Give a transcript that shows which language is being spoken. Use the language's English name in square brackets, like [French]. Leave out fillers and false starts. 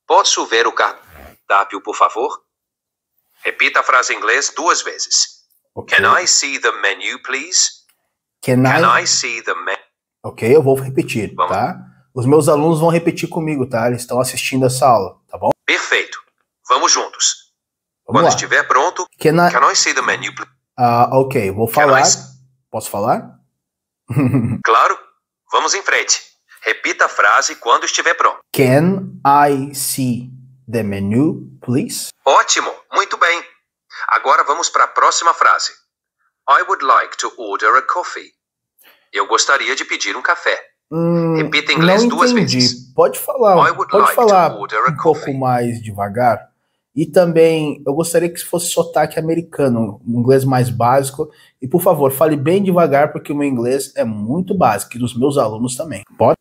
[Portuguese] Posso ver o cardápio, por favor? Repita a frase em inglês duas vezes. Okay. [English] Can I see the menu, please? Can I see the menu? [Portuguese] Ok, eu vou repetir, vamos. Tá? Os meus alunos vão repetir comigo, tá? Eles estão assistindo essa aula, tá bom? Perfeito. Vamos juntos. Vamos Quando lá. Estiver pronto, [English] can I see the menu, please? [Portuguese] Ok, vou falar. Posso falar? Claro. Vamos em frente. Repita a frase quando estiver pronto. [English] Can I see the menu, please? [Portuguese] Ótimo, muito bem. Agora vamos para a próxima frase. [English] I would like to order a coffee. [Portuguese] Eu gostaria de pedir um café. Repita em inglês duas vezes. Pode falar, um pouco mais devagar. E também, eu gostaria que fosse sotaque americano, um inglês mais básico. E, por favor, fale bem devagar, porque o meu inglês é muito básico, e dos meus alunos também. Pode?